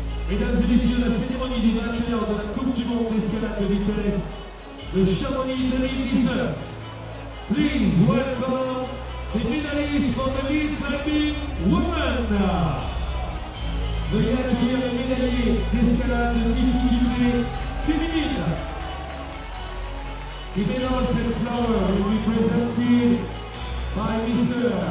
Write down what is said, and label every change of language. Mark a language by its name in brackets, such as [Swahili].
[French] Mesdames et messieurs, la cérémonie du vainqueur de la Coupe du Monde d'escalade de vitesse, le Chamonix 2019. [English] Please welcome the medalist for the lead climbing woman. [French] Veuillez accueillir le médaillé d'escalade de difficulté féminine. [English] The medal and flower will be presented by Mr.